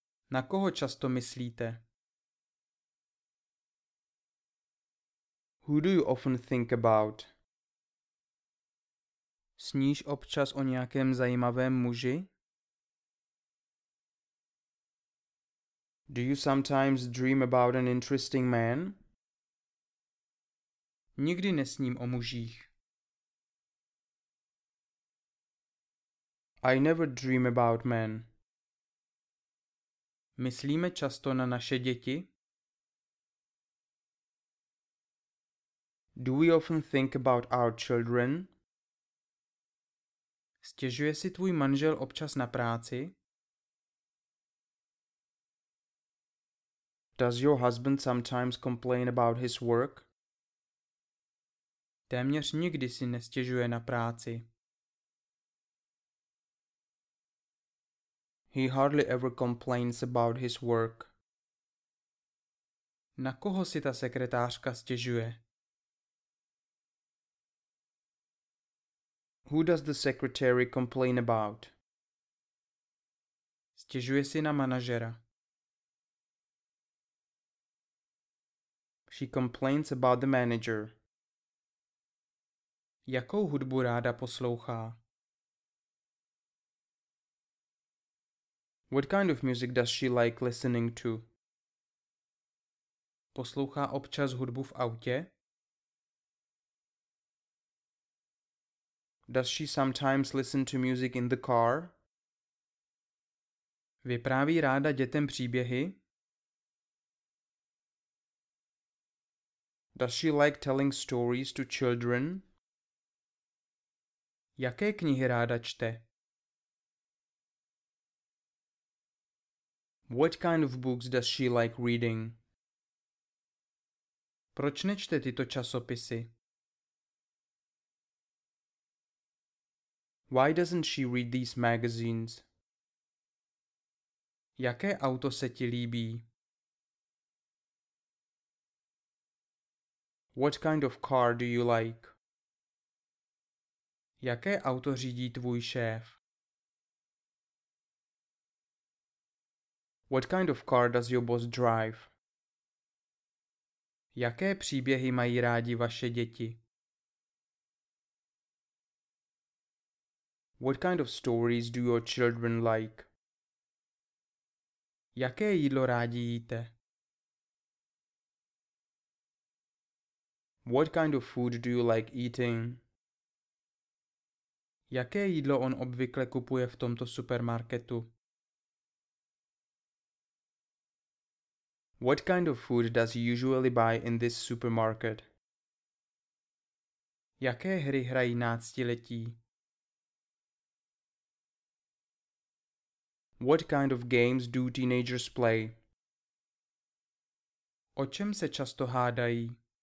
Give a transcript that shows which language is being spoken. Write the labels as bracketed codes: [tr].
[cs] Na koho často myslíte? [en] Who do you often think about? [cs] Sníš občas o nějakém zajímavém muži? [en] Do you sometimes dream about an interesting man? [cs] Nikdy nesním o mužích. [en] I never dream about men. [cs] Myslíme často na naše děti? [en] Do we often think about our children? [cs] Stěžuje si tvůj manžel občas na práci? [en] Does your husband sometimes complain about his work? [cs] Téměř nikdy si nestěžuje na práci. [en] He hardly ever complains about his work. [cs] Na koho si ta sekretářka stěžuje? [en] Who does the secretary complain about? [cs] Stěžuje si na manažera. [en] She complains about the manager. [cs] Jakou hudbu ráda poslouchá? [en] What kind of music does she like listening to? [cs] Poslouchá občas hudbu v autě? [en] Does she sometimes listen to music in the car? [cs] Vypráví ráda dětem příběhy? [en] Does she like telling stories to children? [cs] Jaké knihy ráda čte? [en] What kind of books does she like reading? [cs] Proč nečte tyto časopisy? [en] Why doesn't she read these magazines? [cs] Jaké auto se ti líbí? [en] What kind of car do you like? [cs] Jaké auto řídí tvůj šéf? [en] What kind of car does your boss drive? [cs] Jaké příběhy mají rádi vaše děti? [en] What kind of stories do your children like? [cs] Jaké jídlo rádi jíte? [en] What kind of food do you like eating? [cs] Jaké jídlo on obvykle kupuje v tomto supermarketu? [en] What kind of food does he usually buy in this supermarket? [cs] Jaké hry hrají náctiletí? [en] What kind of games do teenagers play? [cs] O čem se často hádají?